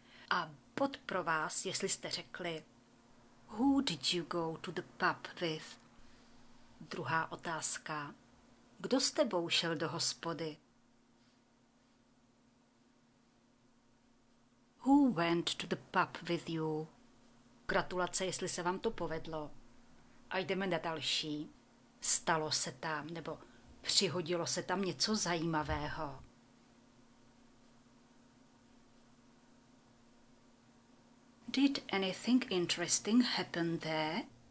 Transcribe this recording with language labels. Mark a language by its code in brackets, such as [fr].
[cs] A bod pro vás, jestli jste řekli [en] Who did you go to the pub with? [cs] Druhá otázka. Kdo s tebou šel do hospody? [en] Who went to the pub with you? [cs] Gratulace, jestli se vám to povedlo. A jdeme na další. Stalo se tam, nebo přihodilo se tam něco zajímavého. [en] Did anything interesting happen there?